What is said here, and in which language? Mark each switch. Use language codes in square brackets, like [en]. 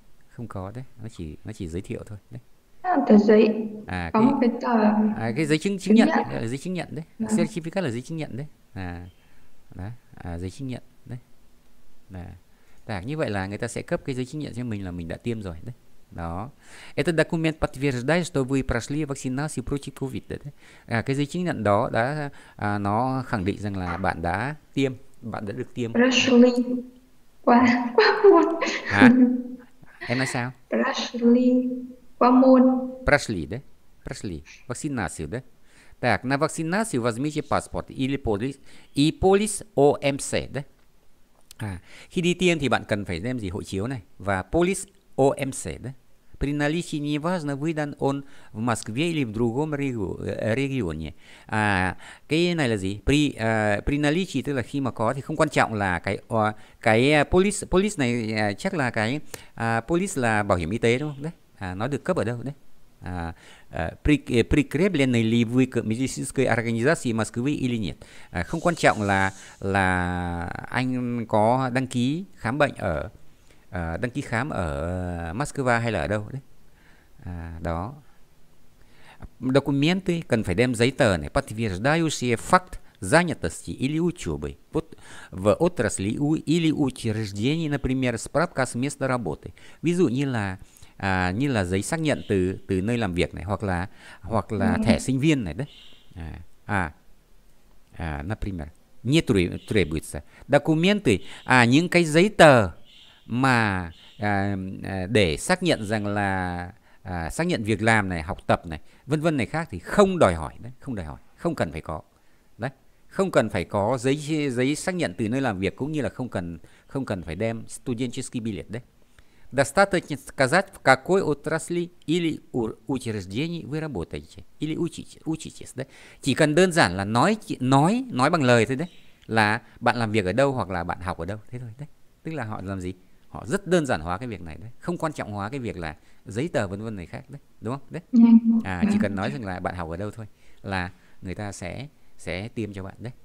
[vi] Không có đấy, nó chỉ giới thiệu thôi đấy. Tờ giấy À có một cái cái tờ cái giấy chứng chứng nhận, nhận giấy chứng nhận đấy, à. certificate là giấy chứng nhận đấy. Đấy, giấy chứng nhận đấy. Đấy, như vậy là người ta sẽ cấp cái giấy chứng nhận cho mình là mình đã tiêm rồi đấy. Đó. [ru] Этот документ подтверждает, что вы прошли вакцинацию против COVID. [vi] Đấy. Cái giấy chứng nhận đó đã nó khẳng định rằng là bạn đã được tiêm. Rushly qua quá À. buồn. Em nói sao? Presley Quamon. Presley đấy. Presley. Vaccine nào xíu đấy. [ru] Так, на вакцинацию возьмите паспорт или полис, и полис ОМС đấy. [vi] À, khi đi tiêm thì bạn cần phải đem gì hộ chiếu này và police OMC đấy. [ru] При наличии не важно выдан он в Москве или в другом регионе. [vi] Cái này là gì? [ru] При наличии [vi] tức là khi mà có thì không quan trọng là cái police police này chắc là cái police là bảo hiểm y tế đúng không đấy? Nó được cấp ở đâu đấy? [ru] Прикреплены ли вы к медицинской организации Москвы или нет? [vi] Không quan trọng là anh có đăng ký khám bệnh ở đăng ký khám ở Moscow hay là ở đâu đấy. Đó. [ru] Документы [vi] cần phải đem giấy tờ này, [ru] подтверждающие факт занятости или учебы в отрасли или учреждении, например, справка с места работы. [vi] Ví dụ như là giấy xác nhận từ từ nơi làm việc này hoặc là thẻ sinh viên này đấy. [ru] Например, не требуется. [vi] Документы, những cái giấy tờ mà để xác nhận rằng là xác nhận việc làm này, học tập này, vân vân này khác thì không đòi hỏi đấy, không đòi hỏi, không cần phải có. Đấy, không cần phải có giấy giấy xác nhận từ nơi làm việc cũng như là không cần phải đem studentski bilet đấy. [ru] Достаточно сказать, в какой отрасли или учреждении вы работаете, или учитесь, đấy. [vi] Chỉ cần đơn giản là nói bằng lời thôi đấy, là bạn làm việc ở đâu hoặc là bạn học ở đâu, thế thôi đấy. Tức là họ làm gì? Họ rất đơn giản hóa cái việc này đấy, không quan trọng hóa cái việc là giấy tờ vân vân này khác đấy, đúng không? Đấy. À, chỉ cần nói rằng là bạn học ở đâu thôi là người ta sẽ tiêm cho bạn đấy.